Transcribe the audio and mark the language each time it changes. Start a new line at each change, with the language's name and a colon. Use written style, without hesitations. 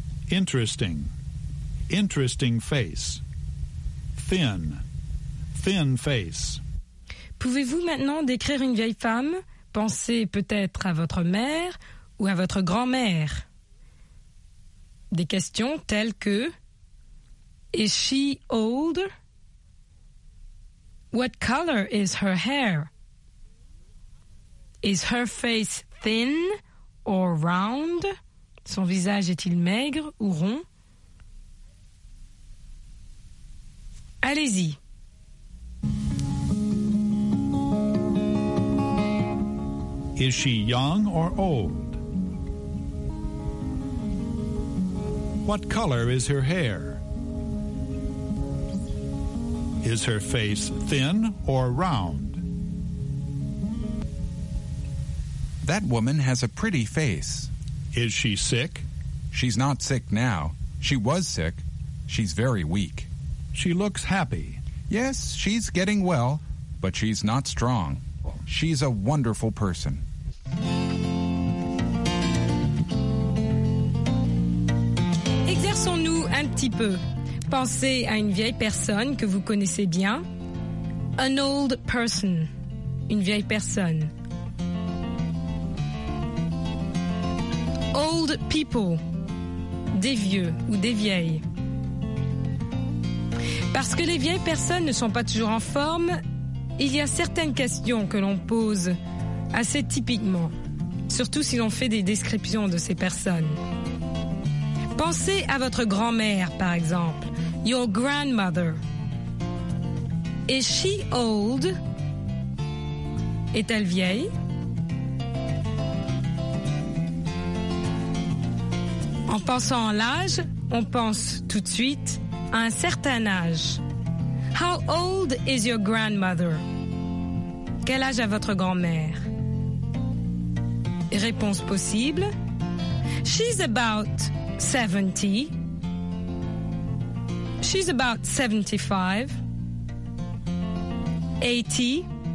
English: Interesting, interesting face. Thin, thin face.
French: Pouvez-vous maintenant décrire une vieille femme? Pensez peut-être à votre mère ou à votre grand-mère. Des questions telles que:
English: Is she old? What color is her hair? Is her face thin or round?
French: Son visage est-il maigre ou rond? Allez-y.
English: Is she young or old? What color is her hair? Is her face thin or round? That woman has a pretty face. Is she sick? She's not sick now. She was sick. She's very weak. She looks happy. Yes, she's getting well, but she's not strong. She's a wonderful person.
French: Exerçons-nous un petit peu. Pensez à une vieille personne que vous connaissez bien.
English: An old person.
French: Une vieille personne.
English: Old people.
French: Des vieux ou des vieilles. Parce que les vieilles personnes ne sont pas toujours en forme, il y a certaines questions que l'on pose assez typiquement, surtout si l'on fait des descriptions de ces personnes. Pensez à votre grand-mère, par exemple.
English: Your grandmother. Is she old?
French: Est-elle vieille? En pensant en l'âge, on pense tout de suite à un certain âge.
English: How old is your grandmother?
French: Quel âge a votre grand-mère? Réponse possible.
English: She's about 70. She's about 75. 80.